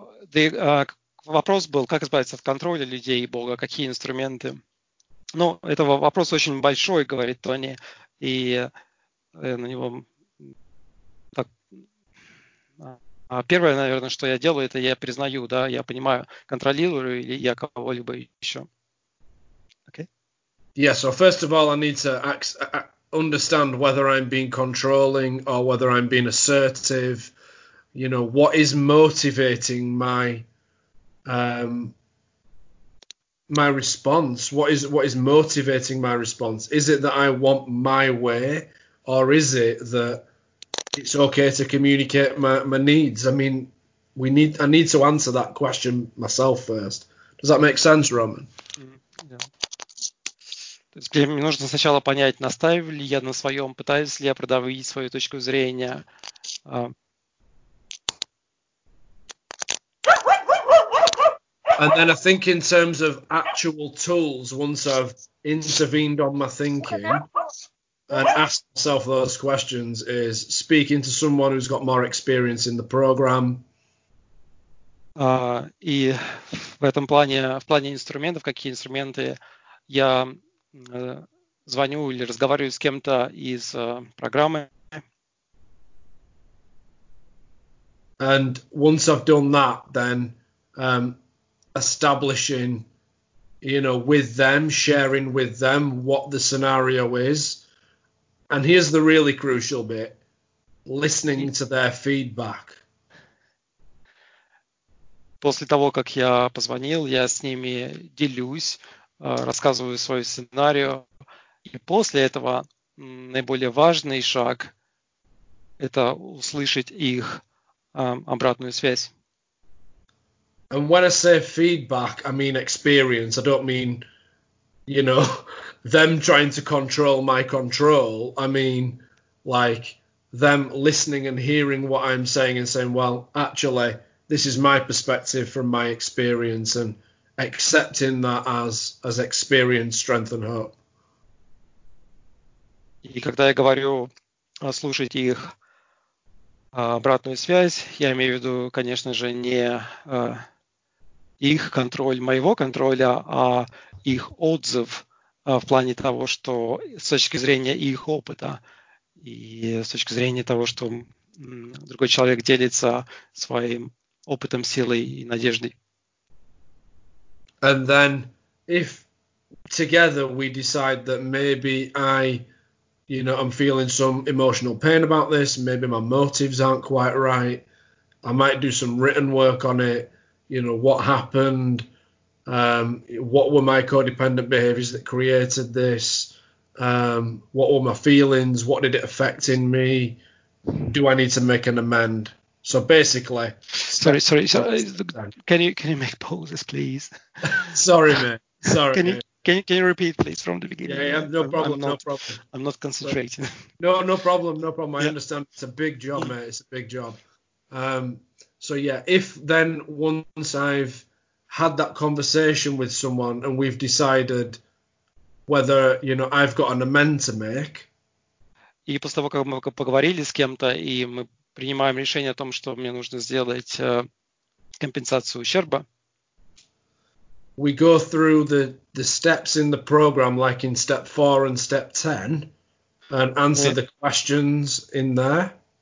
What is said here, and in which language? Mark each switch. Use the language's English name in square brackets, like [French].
[Russian] The вопрос был, как избавиться от контроля людей и Бога, какие инструменты? Ну, это вопрос очень большой, говорит Тони, и на него так, первое, наверное, что я делаю, это я признаю, да, я понимаю, контролирую или я кого-либо еще. [English] Okay. Yeah, so first of all, I need to understand whether I'm being controlling or whether I'm being assertive. you know, what is motivating my my response? What is motivating my response? Is it that I want my way, or is it that it's okay to communicate my needs? I mean, I need to answer that question myself first. Does that make sense, Roman? [Russian] То есть мне нужно сначала понять, настаиваю ли я на своем, пытаюсь ли я продавить свою точку зрения. [English] And then I think in terms of actual tools, once I've intervened on my thinking and asked myself those questions, is speaking to someone who's got more experience in the program. [Russian] И в этом плане, в плане инструментов, какие инструменты я звоню или разговариваю с кем-то из программы. [English] And once I've done that, then establishing, you know, with them, sharing with them what the scenario is. And here's the really crucial bit, listening to their feedback. [Russian] После того, как я позвонил, я с ними делюсь, рассказываю свой сценарий. И после этого наиболее важный шаг – это услышать их обратную связь. [English] And when I say feedback, I mean experience. I don't mean, you know, them trying to control my control. I mean, like, them listening and hearing what I'm saying and saying, well, actually, this is my perspective from my experience, and accepting that as experience, strength, and hope. [Russian] И когда я говорю слушать их обратную связь, я имею в виду, конечно же, не их контроль, моего контроля, а их отзыв в плане того, что с точки зрения их опыта и с точки зрения того, что другой человек делится своим опытом, силой и надеждой. [English] And then if together we decide that maybe I, you know, I'm feeling some emotional pain about this, maybe my motives aren't quite right, I might do some written work on it. You know, what happened? What were my codependent behaviors that created this? What were my feelings? What did it affect in me? Do I need to make an amend? So basically, sorry. Can you make pauses, please? Sorry, mate. Sorry. Can you repeat, please, from the beginning? Yeah, no problem. I'm not concentrating. No problem. I understand. It's a big job, mate. It's a big job. So yeah, if then once I've had that conversation with someone and we've decided whether, you know, I've got an amend to make. [Russian] И после того, как мы поговорили с кем-то и мы принимаем решение о том, что мне нужно сделать компенсацию ущерба. [English] We go through the steps in the program, like in step 4 and step 10, and answer the questions in there.